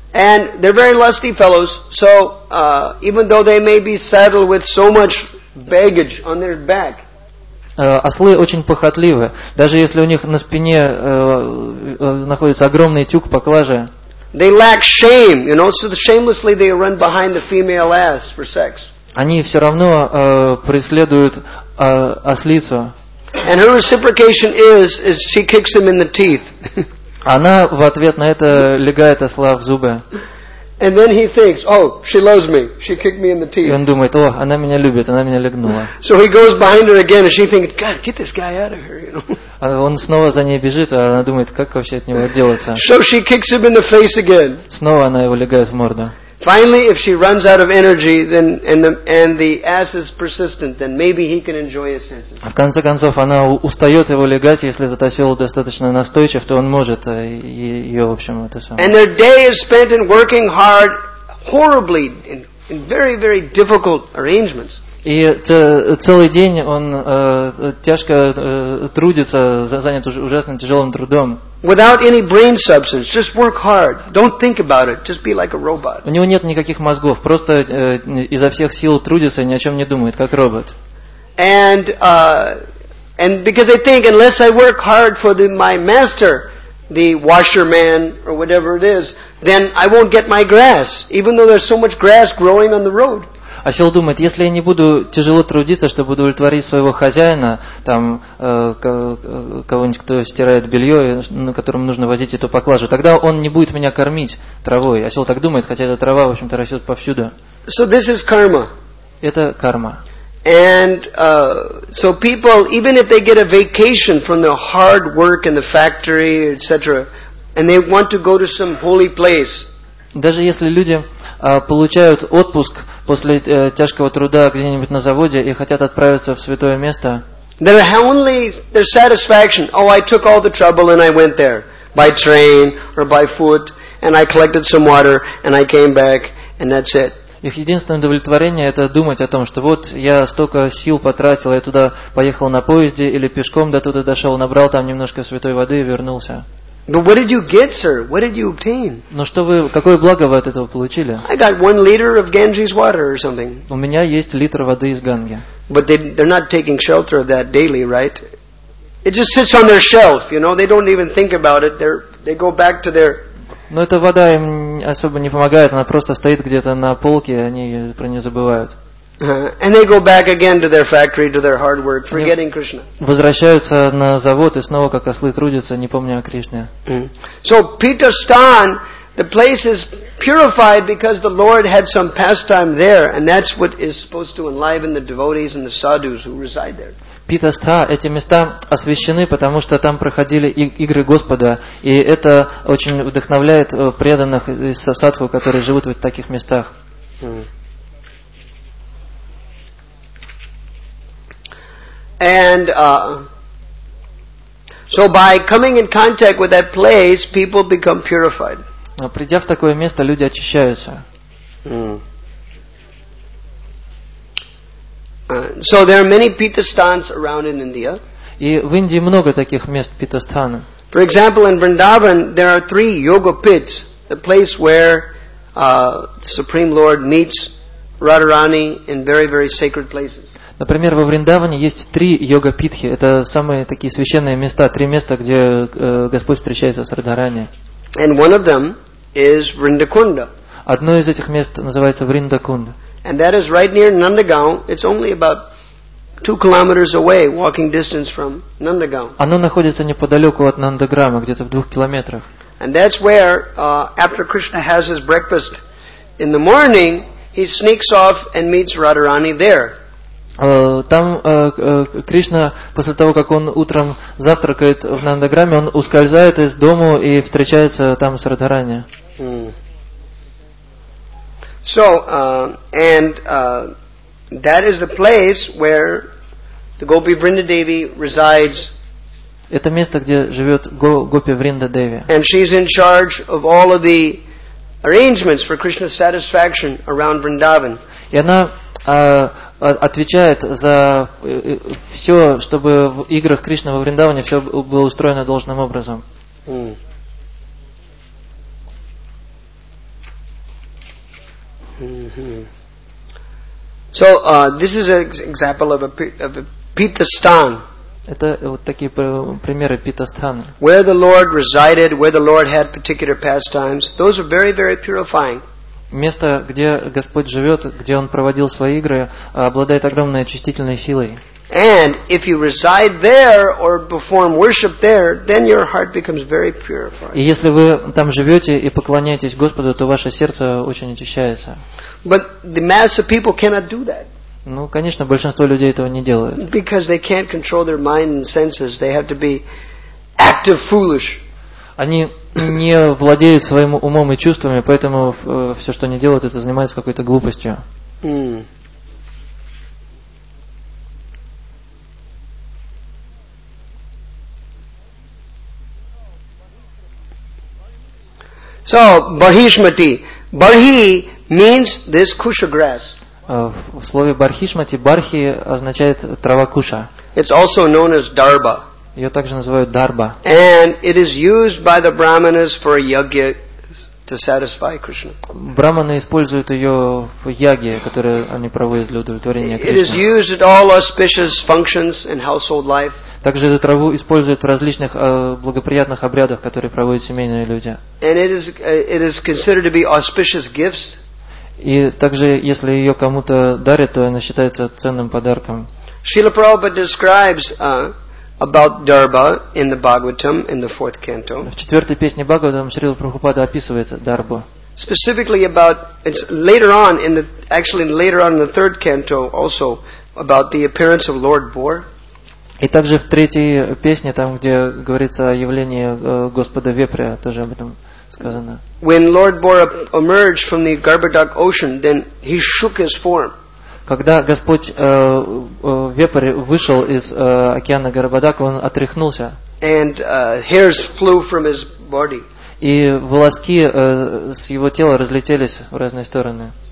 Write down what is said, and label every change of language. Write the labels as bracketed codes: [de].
[en] And they're very lusty fellows, so even though they may be saddled with so much baggage on their back. [ru] Ослы очень похотливы. Даже если у них на спине находится огромный тюк поклажи. [en] They lack shame, you know, so shamelessly they run behind the female ass for sex. [ru] Они все равно преследуют ослицу. [en] And her reciprocation is she kicks him in the teeth. [ru] Она в ответ на это легает осла в зубы. [en] And then he thinks, oh, she loves me. She kicked me in the teeth. [ru] И он думает, о, она меня любит, она меня легнула. [en] So he goes behind her again, and she thinks, God, get this guy out of here, you know. [ru] Он снова за ней бежит, а она думает, как вообще от него отделаться. [en] So she kicks him in the face again. [ru] Снова она его легает в морду. [en] Finally, if she runs out of energy, then and the ass is persistent, then maybe he can enjoy his senses. [ru] В конце концов, она устает его легать, если этот осел достаточно настойчив, то он может ее, в общем, это самое. [en] And their day is spent in working hard, horribly, in very, very difficult arrangements. [ru] И целый день он тяжко трудится, занят ужасным тяжелым трудом. [en] Without any brain substance, just work hard. Don't think about it. Just be like a robot. [ru] У него нет никаких мозгов. Просто изо всех сил трудится, ни о чем не думает, как робот. [en] And because they think, unless I work hard for my master, the washerman or whatever it is, then I won't get my grass. Even though there's so much grass growing on the road. [ru] Осел думает, если я не буду тяжело трудиться, чтобы удовлетворить своего хозяина, там кого-нибудь, кто стирает белье, на котором нужно возить эту поклажу, тогда он не будет меня кормить травой. Осел так думает, хотя эта трава, в общем-то, растет повсюду. [en] So this is karma. [ru] Это карма. [en] And so people, even if they get a vacation from the hard work in the factory, etc., and they want to go to some holy place. [ru] Даже если люди получают отпуск после тяжкого труда где-нибудь на заводе и хотят отправиться в святое место. [en] Their satisfaction. Oh, I took all the trouble and I went there by train or by foot and I collected some water and I came back and that's it. [ru] Их единственное удовлетворение это думать о том, что вот я столько сил потратил, я туда поехал на поезде или пешком до туда дошел, набрал там немножко святой воды и вернулся. [en] But what did you get, sir? What did you obtain? [ru] Но что вы, какое благо вы от этого получили? [en] I got 1 liter of Ganges water or something. [ru] У меня есть литр воды из Ганги. [en] But they're not taking shelter of that daily, right? It just sits on their shelf, you know. They don't even think about it. They go back to their. [ru] Но эта вода им особо не помогает. Она просто стоит где-то на полке, и они про нее забывают. [en] And they go back again to their factory, to their hard work, forgetting Krishna. [ru] Возвращаются на завод и снова как ослы трудятся, не помня о Кришне. [en] So Peter Stan, the place is purified because the Lord had some pastime there, and that's what is supposed to enliven the devotees and the sadhus who reside there. [ru] Питаста, эти места освящены, потому что там проходили игры Господа, и это очень вдохновляет преданных и садху, которые живут в таких местах. [en] And so by coming in contact with that place, people become purified. [ru] Придя в такое место, люди очищаются. [en] So there are many pitasthans around in India. [ru] И в Индии много таких мест питастхана. [en] For example, in Vrindavan, there are 3 yoga pits, the place where the Supreme Lord meets Radharani in very, very sacred places. [ru] Например, во Вриндаване есть 3 йога-питхи. Это самые такие священные места, 3 места, где Господь встречается с Радхарани. [en] And one of them is Vrindakunda. [ru] Одно из этих мест называется Вриндакунда. [en] And that is right near Nandagaon. It's only about 2 kilometers away, walking distance from Nandagaon. [ru] Оно находится неподалеку от Нандаграма, где-то в 2 километрах. [en] And that's where, after Krishna has his breakfast in the morning, he sneaks off and meets Radharani there. [ru] Там Кришна, после того, как он утром завтракает в Нандаграме, он ускользает из дому и встречается там с Радхарани. [en] That is the place where the Gopi Vrinda Devi resides. [ru] Это место, где живет Гопи Вринда Деви. [en] And she's in charge of all of the arrangements for Krishna's satisfaction around Vrindavan. [ru] И она отвечает за все, чтобы в играх Кришны во Вриндаване все было устроено должным образом. [en] So this is an example of a pitasthan. [ru] Это вот такие примеры питастхана. [en] Where the Lord resided, where the Lord had particular pastimes, those are very, very purifying. [ru] Место, где Господь живет, где Он проводил свои игры, обладает огромной очистительной силой. [en] And if you reside there or perform worship there, then your heart becomes very purified. [ru] И если вы там живёте и поклоняетесь Господу, то ваше сердце очень очищается. [en] But the mass of people cannot do that. [ru] Ну, конечно, большинство людей этого не делают. [en] Because they can't control their mind and senses, they have to be active foolish. [ru] Они не владеют своим умом и чувствами, поэтому всё, что они делают, это занимаются какой-то глупостью. [en] So, Bahishmati. Bahi means this kusha grass. [ru] В слове Бархишмати Бархи означает трава куша. [en] It's also known as Дарба. [ru] Её также называют Дарба. [en] And it is used by the brahmanas for yagya to satisfy Krishna. [ru] Браманы используют её в яге, которую они проводят для удовлетворения Кришны. [en] It is used at all auspicious functions in household life. [ru] Также эту траву используют в различных благоприятных обрядах, которые проводят семейные люди. [en] And it is considered to be auspicious gifts. [ru] И также, если ее кому-то дарят, то она считается ценным подарком. [en] Шрила Прабхупада describes about Дарба in the Бхагаватам, in the fourth canto. [ru] В четвертой песне Бхагаватам Шрила Прабхупада описывает Дарбу. [en] Specifically about, it's later on, in the third canto also, about the appearance of Lord Bor. [ru] И также в третьей песне, там, где говорится о явлении Господа Вепря, тоже об этом сказано. [en] When Lord Bor emerged from the Garbhadak ocean, then he shook his form. [ru] Когда Господь Вепрь вышел из океана Гарбадак, он отряхнулся. [en] And hairs flew from his body. [ru] И волоски с его тела разлетелись в разные стороны.